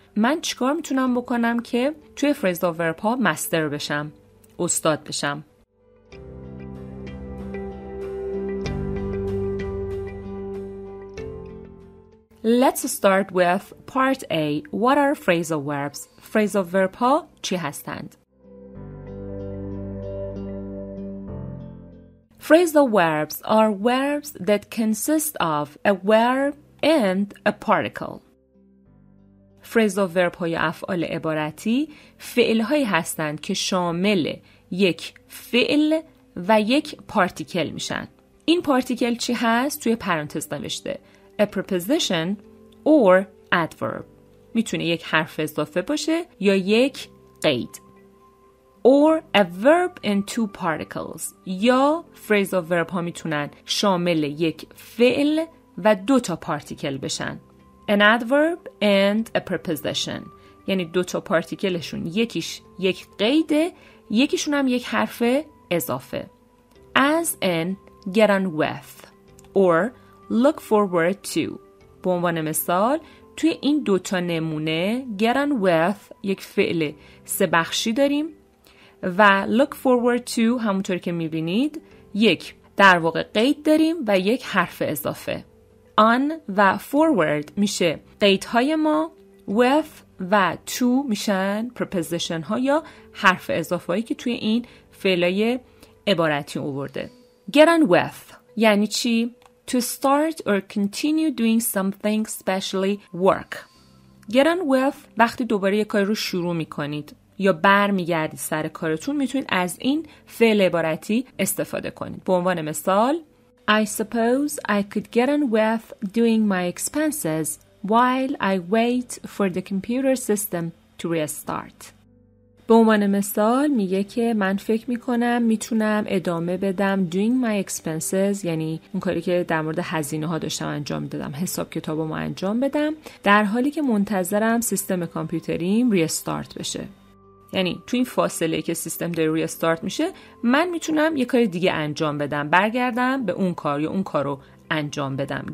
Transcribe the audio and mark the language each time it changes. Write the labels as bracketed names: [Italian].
[Persian] من چیکار میتونم بکنم که توی phrasal verb ها مستر بشم، استاد بشم؟ [English] Let's start with part A. What are phrasal verbs? [Persian] phrasal verb ها چی هستند؟ [English] Phrasal verbs are verbs that consist of a verb and a particle. [Persian] Phrasal verb های افعال عبارتی فعل هایی هستند که شامل یک فعل و یک پارتیکل میشن. این پارتیکل چی هست؟ توی پرانتز نوشته [English] A preposition or adverb. [Persian] میتونه یک حرف اضافه باشه یا یک قید. [English] Or a verb in two particles. [Persian] یا phrase of verb ها میتونن شامل یک فعل و دو تا پارتیکل بشن. [English] An adverb and a preposition. [Persian] یعنی دو تا پارتیکلشون یکیش یک قیده، یکیشون هم یک حرف اضافه. [English] As in get on with or look forward to. [Persian] به عنوان مثال توی این دو تا نمونه get on with یک فعل سه بخشی داریم و look forward to همونطور که میبینید یک در واقع قید داریم و یک حرف اضافه. On و forward میشه قیدهای ما، with و to میشن preposition ها یا حرف اضافه هایی که توی این فعلای عبارتی آورده. [English] Get on with [Persian] یعنی چی؟ [English] To start or continue doing something, especially work. [Persian] Get on with وقتی دوباره یک کار رو شروع میکنید یا بر میگردید سر کارتون میتونید از این فعل عبارتی استفاده کنید. به عنوان مثال [English] I suppose I could get on with doing my expenses while I wait for the computer system to restart. [Persian] به عنوان مثال میگه که من فکر میکنم میتونم ادامه بدم [English] doing my expenses [Persian] یعنی اون کاری که در مورد هزینه ها داشتم انجام میدادم، حساب کتابمو انجام بدم در حالی که منتظرم سیستم کامپیوتریم ریستارت بشه. یعنی تو این فاصله که سیستم داره ریستارت میشه من میتونم یه کار دیگه انجام بدم، برگردم به اون کار یا اون کارو انجام بدم.